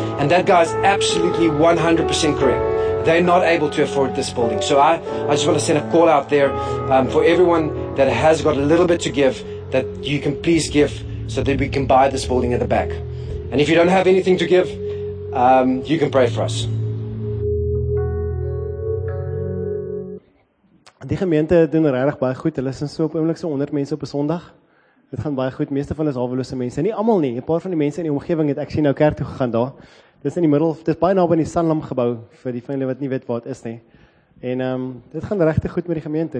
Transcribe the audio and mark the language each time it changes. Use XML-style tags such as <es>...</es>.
<en>And that guy's absolutely 100% correct. They're not able to afford this building. So I just want to send a call out there for everyone that has got a little bit to give, that you can please give so that we can buy this building at the back. And if you don't have anything to give, you can pray for us.</en> <af>Die gemeente doen regtig baie goed. Hulle is so op oomblik so 100 mense op 'n Sondag. Dit gaan baie goed. Meeste van ons hawelose mense, nie almal nie, 'n paar van die mense in die omgewing het ek sien nou kerk toe gegaan daar. Dis in die middel, dis baie naby aan die Sanlam gebou vir die familie wat nie weet waar dit is nie. En dit gaan regtig goed met die gemeente.</af>